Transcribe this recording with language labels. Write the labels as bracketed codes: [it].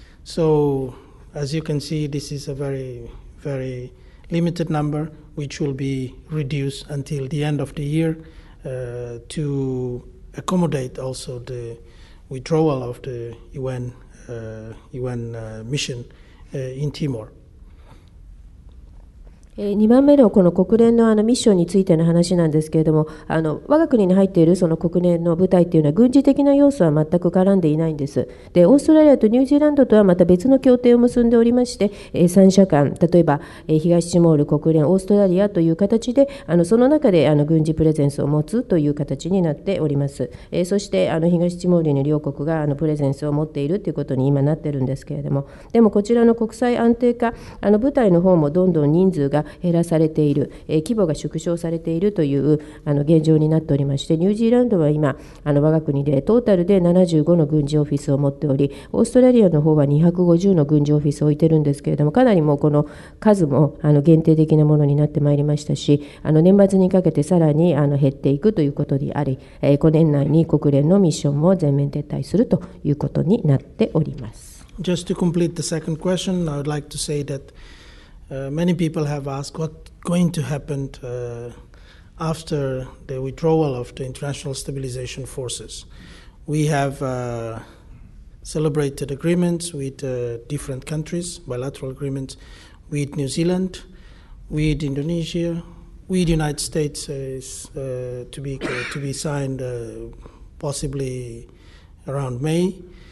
[en] So, as you can see, this is a very, very limited number, which will be reduced until the end of the year to accommodate also the withdrawal of the UN, UN mission in Timor. [ja] 2番目のこの国連のミッションについての話なんですけれども、我が国に入っているその国連の部隊というのは軍事的な要素は全く絡んでいないんです。で、オーストラリアとニュージーランドとはまた別の協定を結んでおりまして、三者間、例えば東ティモール、国連、オーストラリアという形でその中で軍事プレゼンスを持つという形になっております。そして東ティモールに両国がプレゼンスを持っているということに今なっているんですけれども、でもこちらの国際安定化部隊の方もどんどん人数が減らされている、規模が縮小されているという現状になっておりまして、ニュージーランドは今我が国でトータルで75の軍事オフィスを持っており、オーストラリアの方は250の軍事オフィスを置いているんですけれども、かなりもうこの数も限定的なものになってまいりましたし、年末にかけてさらに減っていくということであり、5年内に国連のミッションも全面撤退するということになっております。 [en] Just to complete the second question, I would like to say thatmany people have asked what's going to happen after the withdrawal of the international stabilization forces. We have celebrated agreements with different countries, bilateral agreements with New Zealand, with Indonesia, with the United States to be signed possibly around May.